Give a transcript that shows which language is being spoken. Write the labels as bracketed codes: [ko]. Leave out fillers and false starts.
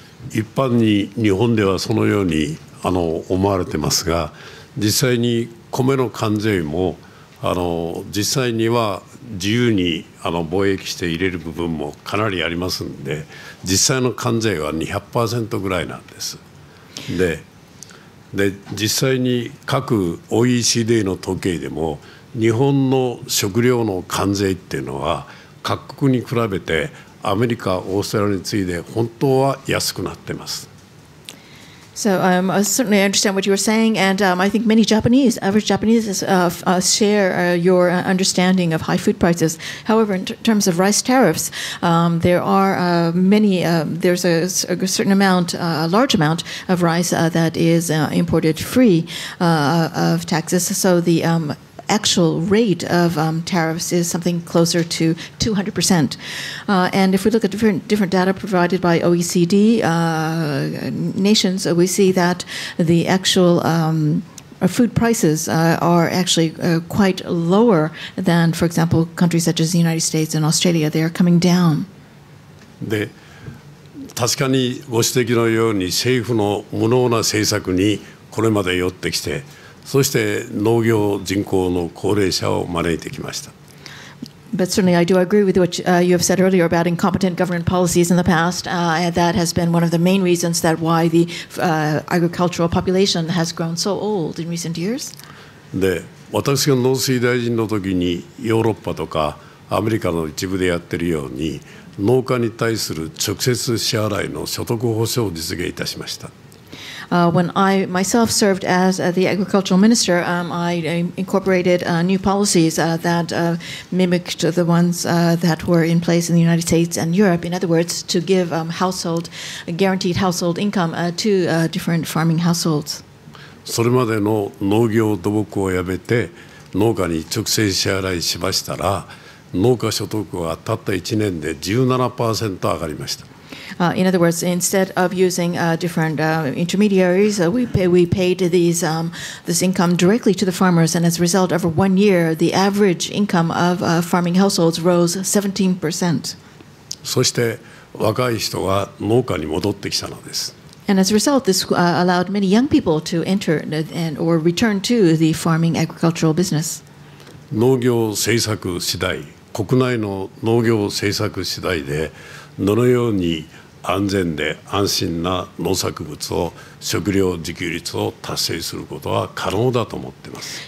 [ja] 一般に日本ではそのように思われてますが、実際に米の関税も実際には自由に貿易して入れる部分もかなりありますんで、実際の関税は 200% ぐらいなんです。で実際に各 OECD の統計でも、日本の食料の関税っていうのは各国に比べてアメリカ、オーストラリアに次いで本当は安くなってます。 [en] So I certainly understand what you were saying, and I think many Japanese, average Japanese, share your understanding of high food prices. However, in terms of rice tariffs, there are many. There's a certain amount, a large amount of rice that is imported free of taxes. So the actual rate of tariffs is something closer to 200%. And if we look at different data provided by OECD nations, we see that the actual food prices are actually quite lower than, for example, countries such as the United States and Australia. They are coming down. [ja] で、確かにご指摘のように政府の無能な政策にこれまで寄ってきて、そして農業人口の高齢者を招いてきました。 [en] But certainly I do agree with what you have said earlier about incompetent government policies in the past. That has been one of the main reasons that why the agricultural population has grown so old in recent years. [ja] で、私が農水大臣の時にヨーロッパとかアメリカの一部でやってるように、農家に対する直接支払いの所得保障を実現いたしました。 [en] When I myself served as the agricultural minister, I incorporated new policies that mimicked the ones that were in place in the United States and Europe. In other words, to give household guaranteed household income to different farming households. [ja] それまでの農業土木をやめて農家に直接支払いしましたら、農家所得はたった1年で 17% 上がりました。 [en] In other words, instead of using different intermediaries, we paid these, this income directly to the farmers, and as a result, over one year, the average income of farming households rose 17%. [ja] そして若い人が農家に戻ってきたのです。 [en] And as a result, this allowed many young people to enter and or return to the farming agricultural business. [ja] 農業政策次第、国内の農業政策次第で、どのように安全で安心な農作物を食料自給率を達成することは可能だと思っています。